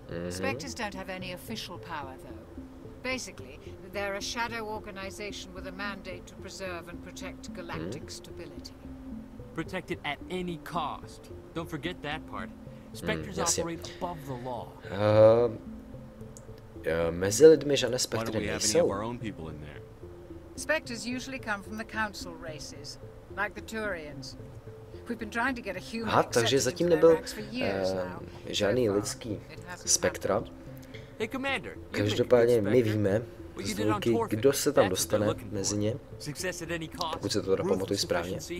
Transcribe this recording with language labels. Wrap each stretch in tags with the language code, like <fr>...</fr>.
<en>Spectres don't have any official power though. Basically, they're a shadow organization with a mandate to preserve and protect galactic stability. Protect it at any cost. Don't forget that part. Spectres operate above the law.</en> <cs>Mezi lidmi žádné spektry nejsou.</cs> <en>Spectres usually come from the council races, like the Turians. We've been trying to get a human.</en> <cs>Aha, takže zatím nebyl žádný lidský spektra. Každopádně my víme, zvuky, kdo se tam dostane mezi ně, pokud se to teda pamatuju správně.</cs>